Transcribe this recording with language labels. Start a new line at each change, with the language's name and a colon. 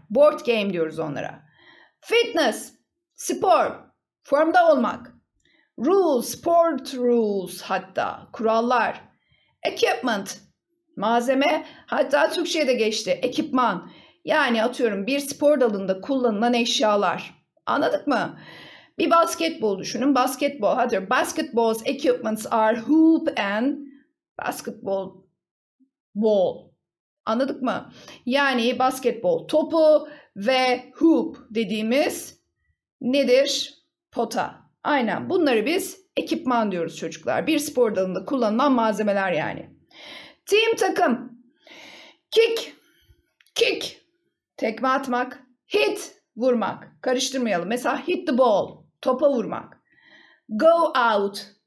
Turkish: Board game diyoruz onlara. Fitness, spor, formda olmak. Rules, sport rules hatta, kurallar. Equipment, malzeme, hatta Türkçe'ye de geçti. Ekipman, yani atıyorum bir spor dalında kullanılan eşyalar. Anladık mı? Bir basketbol düşünün. Basketbol. Hadi.
English: Basketball's equipments are hoop and basketball ball.
Turkish: Anladık mı? Yani basketbol topu ve hoop dediğimiz nedir? Pota. Aynen. Bunları biz ekipman diyoruz çocuklar. Bir spor dalında kullanılan malzemeler yani. Team, takım. Kick. Kick. Tekme atmak. Hit. Vurmak. Karıştırmayalım. Mesela
English: hit the ball.
Turkish: Topa vurmak. Go out.